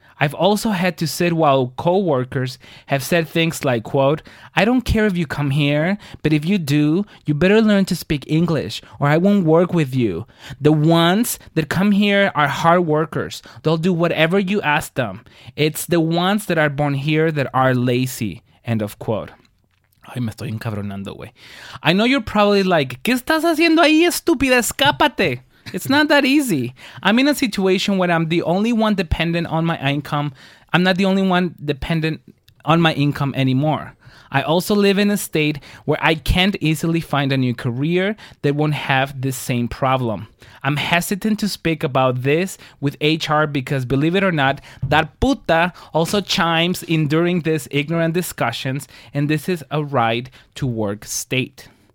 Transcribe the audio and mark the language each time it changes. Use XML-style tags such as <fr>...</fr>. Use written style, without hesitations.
<en>I've also had to sit while coworkers have said things like, quote, I don't care if you come here, but if you do, you better learn to speak English or I won't work with you. The ones that come here are hard workers. They'll do whatever you ask them. It's the ones that are born here that are lazy, end of quote.</en> <es>Ay, me estoy encabronando, güey.</es> <en>I know you're probably like,</en> <es>¿qué estás haciendo ahí, estúpida? Escápate.</es> <en>It's not that easy. I'm in a situation where I'm the only one dependent on my income. I'm not the only one dependent on my income anymore. I also live in a state where I can't easily find a new career that won't have the same problem. I'm hesitant to speak about this with HR because, believe it or not, that puta also chimes in during these ignorant discussions, and this is a ride to work state.</en>